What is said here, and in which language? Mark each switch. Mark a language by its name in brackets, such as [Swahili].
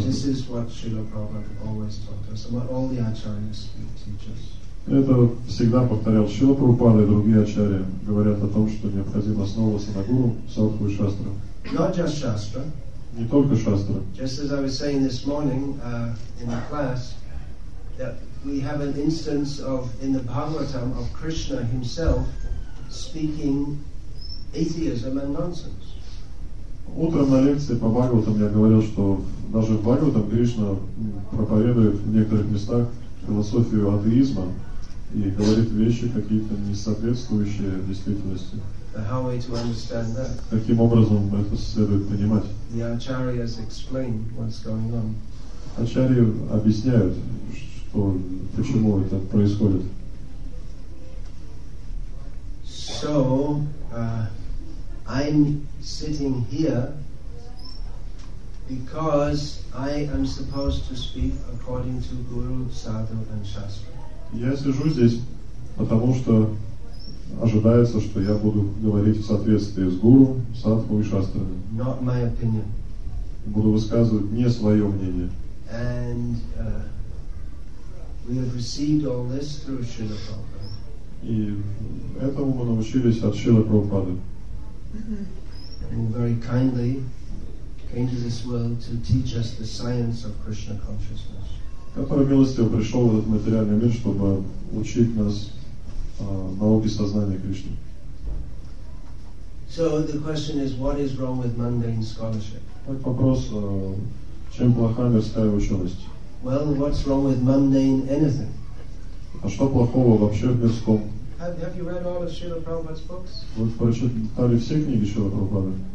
[English] This is what Srila Prabhupada always taught us, and what all the acharyas teach us. [Russian] Это всегда повторял Шрила Прабхупада и другие ачарьи говорят о том, что необходимо основываться на гуру, садху и шастра. [English] Not just Shastra. [Russian] Не только шастра. [English] Just as I was saying this morning in the class, that we have an instance of in the Bhagavatam of Krishna himself speaking atheism and nonsense. [Russian] Утром на лекции по Бхагаватам я говорил, что даже в Бхагаватам Кришна проповедует в некоторых местах философию атеизма и говорит вещи какие-то не соответствующие действительности. [English] How are we to understand that? [Russian] Каким образом это следует понимать? [English] The acharyas explain what's going on. [Russian] Ачарьи объясняют, что почему это происходит. [English] So I'm sitting here because I am supposed to speak according to Guru, Sadhu, and Shastra. [Russian] Я сижу здесь, потому что ожидается, что я буду говорить в соответствии с Гуру, Садху и Шастрами. [English] Not my opinion. [Russian] Буду высказывать не свое мнение. [English] And we have received all this through Srila Prabhupada. [Russian] И этому мы научились от Шрилы Прабхупады. [English] And very kindly came to this world to teach us the science of Krishna consciousness. [Russian] Который милостиво пришел в этот материальный мир, чтобы учить нас науке сознания Кришны. [English] So the question is, what is wrong with mundane scholarship? [Russian] Вопрос, чем плоха мирская ученость? [English] Well, what's wrong with mundane anything? [Russian] А что плохого вообще в мирском? [English] Have you read all of Srila Prabhupada's books? [Russian] Вы прочитали все книги Шрилы Прабхупады?